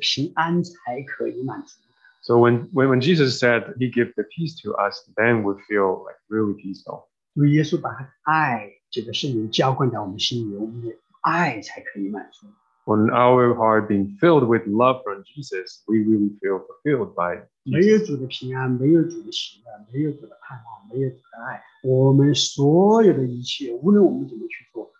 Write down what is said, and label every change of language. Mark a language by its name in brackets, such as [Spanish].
[Chinese] 神主耶稣他说他把他的平安给我们，所以我们的平安才可以满足。 [English] So when Jesus said He gave the peace to us, then we feel like really peaceful. [Chinese] 主耶稣把他的爱这个圣灵浇灌在我们心里，我们的爱才可以满足。 [English] When our heart being filled with love from Jesus, we really feel fulfilled by Jesus. [Chinese] 没有主的平安，没有主的喜乐，没有主的盼望，没有主的爱，我们所有的一切，无论我们怎么去做。